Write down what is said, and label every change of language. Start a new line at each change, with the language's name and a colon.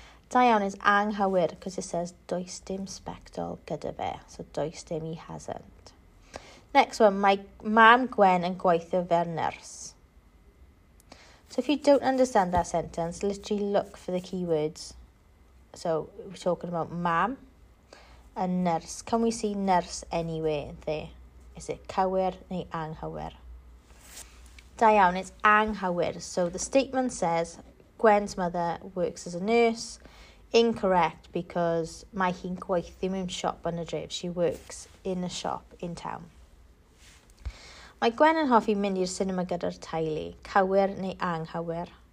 Welsh: Da iawn is anghywir,
English: because it says
Welsh: does dim sbectol gyda fe, so does dim he hasn't. Next one, mae mam Gwen yn gweithio fel nurse.
English: So if you don't understand that sentence, literally look for the keywords. So we're talking about mam and nurse. Can we see nurse anywhere there? Is it cywir neu anghywir? Da iawn, it's anghywir. So the statement says Gwen's mother works as a nurse. Incorrect,
Welsh: because mae hi'n gweithio mewn shop yn y dref.
English: She works in a shop in town.
Welsh: Mae Gwen yn hoffi mynd i'r sinema gyda'r teulu, cywir neu anghywir?